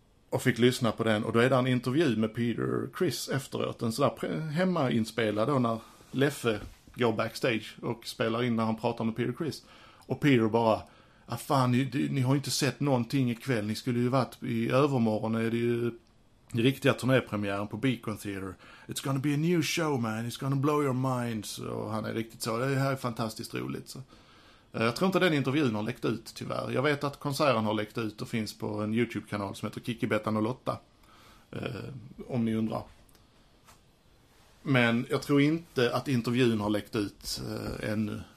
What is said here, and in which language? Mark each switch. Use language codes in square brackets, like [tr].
[sv] Och fick lyssna på den. Och då är det en intervju med Peter Criss efteråt. En sådär hemmainspelad då, när Leffe går backstage och spelar in när han pratar med Peter Criss. Och Peter bara, fan, ni har inte sett någonting ikväll. Ni skulle ju varit i övermorgon. Är det ju den riktiga turnépremiären på Beacon Theater. [en] It's gonna be a new show, man. It's gonna blow your mind. [sv] Och han är riktigt så. Det här är fantastiskt roligt. Så. Jag tror inte den intervjun har läckt ut, tyvärr. Jag vet att konserten har läckt ut och finns på en YouTube-kanal som heter Kiki, Bettan och Lotta. Om ni undrar. Men jag tror inte att intervjun har läckt ut ännu.